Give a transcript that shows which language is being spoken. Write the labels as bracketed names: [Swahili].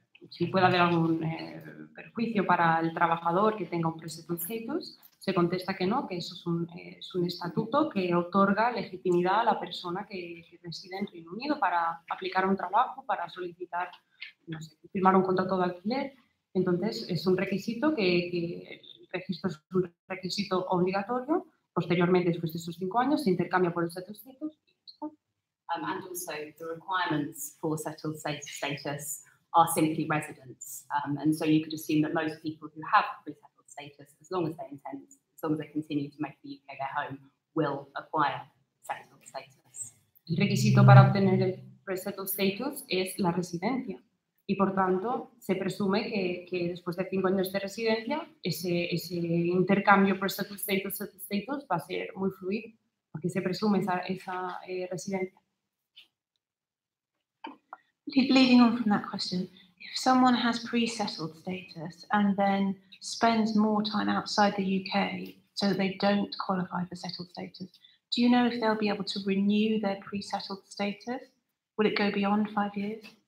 [Spanish] Si puede haber algún perjuicio para el trabajador que tenga un pre-settled status, se contesta que no, que eso es un estatuto que otorga legitimidad a la persona que reside en Reino Unido para aplicar un trabajo, para solicitar, no sé, firmar un contrato de alquiler. Entonces, es un requisito que el registro es un requisito obligatorio. Posteriormente, después de esos 5 años, se intercambia por el settled status. [English] And also the requirements for settled status are simply residents. And so you could assume that most people who have pre-settled status, as long as they continue to make the UK their home, will acquire settled status. [Spanish] El requisito para obtener el pre-settled status es la residencia. Y por tanto, se presume que después de 5 años de residencia, ese intercambio pre-settled status-settled status va a ser muy fluido, porque se presume esa residencia. [English] Leading on from that question, if someone has pre-settled status and then spends more time outside the UK so that they don't qualify for settled status, do you know if they'll be able to renew their pre-settled status? Will it go beyond 5 years?